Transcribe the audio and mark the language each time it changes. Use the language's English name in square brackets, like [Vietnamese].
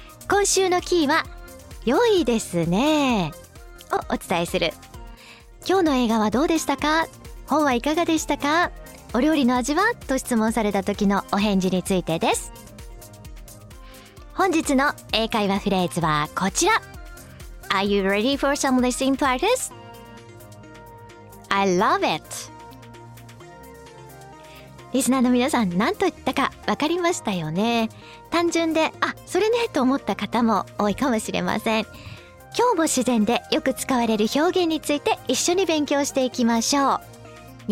[Japanese] 今週のキーは良いですねをお伝えする。今日の映画はどうでしたか、本はいかがでしたか、お料理の味はと質問された時のお返事についてです。本日の英会話フレーズはこちら。 [English] Are you ready for some listening practice? I love it。 [Japanese] リスナーの皆さん、何と言ったか分かりましたよね。単純で、あ、それねと思った方も多いかもしれません。今日も自然でよく使われる表現について一緒に勉強していきましょう。